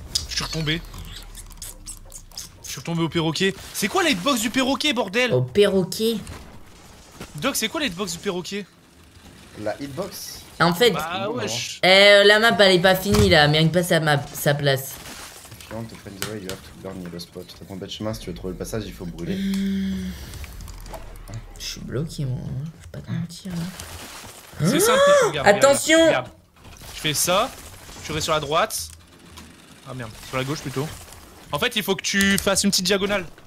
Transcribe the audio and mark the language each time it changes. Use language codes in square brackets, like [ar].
[fr] Je suis retombé. Je suis retombé au perroquet. C'est quoi la hitbox du perroquet, bordel? Au perroquet? Doc, c'est quoi la hitbox du perroquet? La hitbox? En fait, bah, ouais, La map elle est pas finie là, mérite pas sa place. [en] If you want to find the way, you have to burn the spot. [fr] T'as pas de chemin, si tu veux trouver le passage, il faut brûler. Je suis bloqué, moi. Je vais pas te mentir. C'est ça, regarde. Attention! Je fais ça, tu restes sur la droite. Ah merde, sur la gauche plutôt. En fait, il faut que tu fasses une petite diagonale.